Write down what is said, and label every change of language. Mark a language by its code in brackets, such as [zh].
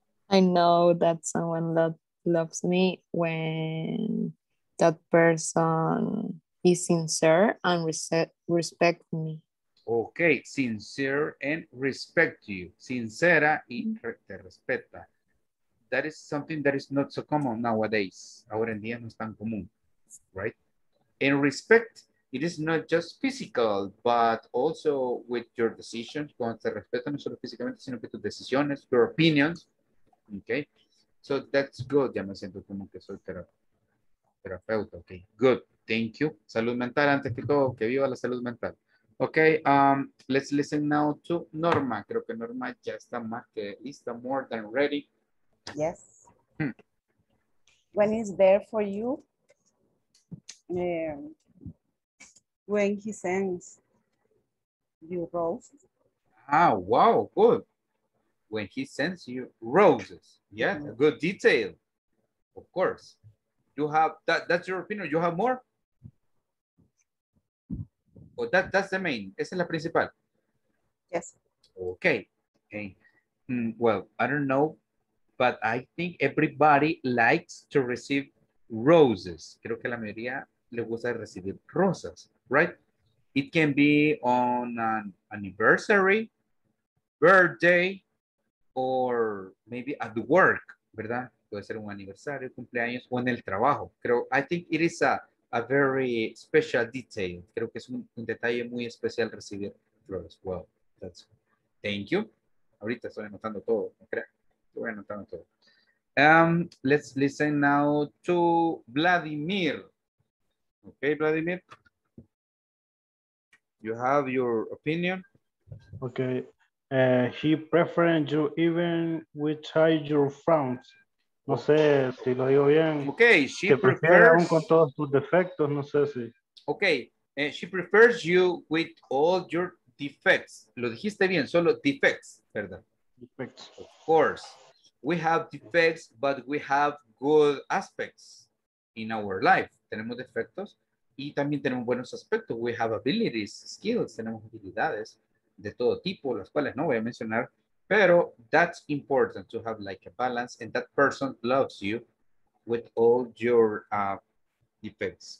[en] I know that someone that loves me when that person is sincere and respect me. Okay, sincere and respect you. [es] Sincera y te respeta. [en] That is something that is not so common nowadays. [es] Ahora en día no es tan común, right? [en] And respect, it is not just physical, but also with your decisions. [es] Cuando te respeta no solo físicamente, sino que tus decisiones, [en] your opinions. Okay, so that's good. [es] Ya me siento como que soy terapeuta. [en] Okay, good. Thank you. [es] Salud mental antes que todo. Que viva la salud mental. Okay, [en] let's listen now to Norma. [es] Creo que Norma ya está más que lista, [en] more than ready. Yes. Hmm. When is there for you? When he sends you roses. Ah, wow, good. When he sends you roses. Yeah, mm-hmm. A good detail. Of course. You have, that's your opinion. You have more? Oh, that's the main. [es] Esa es la principal. [en] Yes. Okay. Okay. Well, I don't know, but I think everybody likes to receive roses. [es] Creo que la mayoría le gusta recibir rosas, right? [en] It can be on an anniversary, birthday, or maybe at work, ¿verdad? [es] Puede ser un aniversario, cumpleaños, o en el trabajo. [en] Creo, I think it is a very special detail. [es] Creo que es un detalle muy especial recibir flores. [en] Well, that's thank you. [es] Ahorita estoy anotando todo, ¿no crees? Estoy anotando todo. [en] Let's listen now to Vladimir. Okay, Vladimir. You have your opinion. Okay. He prefers you even with your frowns. [es] No sé si lo digo bien. [en] Okay, [es] she te prefiere aún con todos tus defectos, no sé si. [en] Okay, she prefers you with all your defects. [es] Lo dijiste bien, solo defects, ¿verdad? [en] Defects. Of course. We have defects, but we have good aspects in our life. [es] Tenemos defectos y también tenemos buenos aspectos. [en] We have abilities, skills, [es] tenemos habilidades de todo tipo, las cuales no voy a mencionar. Pero that's important to have like a balance, and that person loves you with all your defects.